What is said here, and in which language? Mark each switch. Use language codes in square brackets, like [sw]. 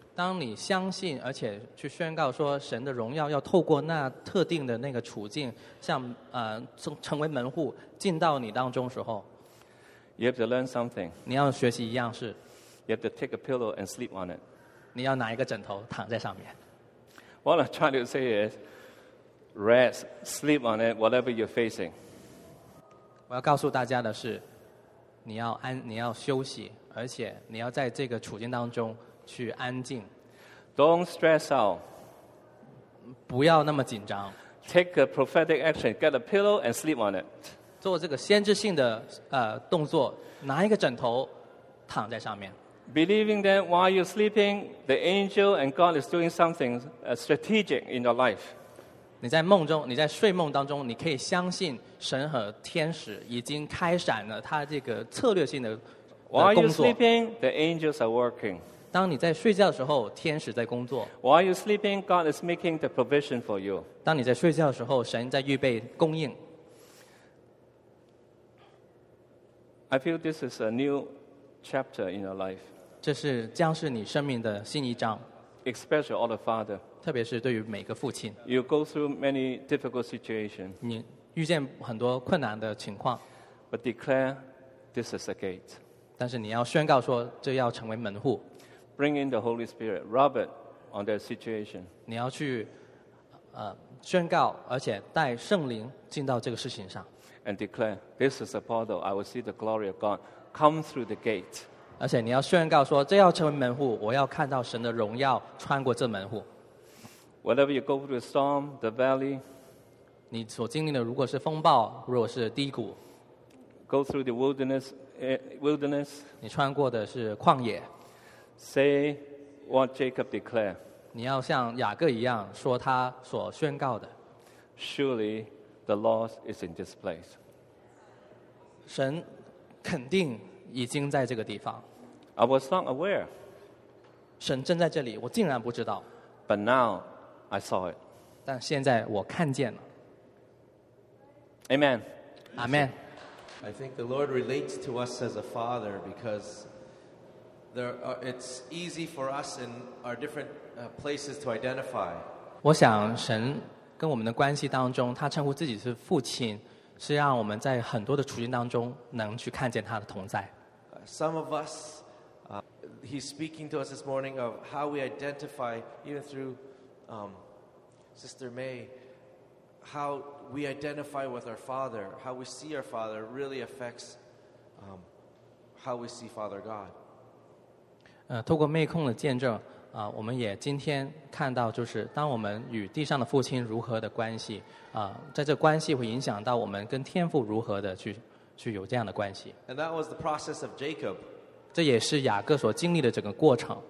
[zh] 当你相信而且去宣告说神的荣耀要透过那特定的那个处境像成为门户进到你当中时候 [en] You have to learn something [zh] 你要学习一样事 [en] You have to take a pillow and sleep on it [zh] 你要拿一个枕头躺在上面 [en] What I'm trying to say is rest, sleep on it, whatever you're facing [zh] 我要告诉大家的是你要休息而且你要在这个处境当中去安静 [en] Don't stress out [zh] 不要那么紧张 [en] Take a prophetic action Get a pillow and sleep on it [zh] 做这个先知性的动作拿一个枕头躺在上面 [en] Believing that while you're sleeping The angel and God is doing something strategic in your life [zh] 你在梦中你在睡梦当中你可以相信神和天使已经开展了他这个策略性的 [en] While you're sleeping, the angels are working. [zh] 当你在睡觉的时候，天使在工作。 [en] While you're sleeping, God is making the provision for you. [zh] 当你在睡觉的时候，神在预备供应。 [en] I feel this is a new chapter in your life. [zh] 这是将是你生命的新一章。 [en] Especially all the father. [zh] 特别是对于每个父亲。 [en] You go through many difficult situations. [zh] 你遇见很多困难的情况。 [en] But declare, this is a gate. [zh] 但是你要宣告说这要成为门户 [en] Bring in the Holy Spirit Rub it on their situation [zh] 你要去宣告而且带圣灵进到这个事情上 [en] And declare This is a portal I will see the glory of God Come through the gate [zh] 而且你要宣告说这要成为门户，我要看到神的荣耀穿过这门户。 [en] Whatever you go through the storm, the valley, [zh] 你所经历的如果是风暴，如果是低谷， [en] go through the wilderness, wilderness, [zh] 你穿过的是旷野。 [en] Say what Jacob declared, [zh] 你要像雅各一样说他所宣告的。 [en] Surely the Lord is in this place, [zh] 神肯定已经在这个地方。 [en] I was not aware, [zh] 神正在这里，我竟然不知道。 [en] But now I saw it, [zh] 但现在我看见了。 [en] Amen, Amen. I think the Lord relates to us as a father, because it's easy for us in our different places to identify. [zh] 我想神跟我们的关系当中，他称呼自己是父亲，是让我们在很多的处境当中能去看见他的同在。 [en] Some of us, he's speaking to us this morning of how we identify, even through Sister May, how we identify with our father, how we see our father really affects how we see Father God. [zh] 透过妹控的见证，我们也今天看到，就是当我们与地上的父亲如何的关系，在这关系会影响到我们跟天父如何的去有这样的关系。 [en] And that was the process of Jacob. [zh] 这也是雅各所经历的整个过程。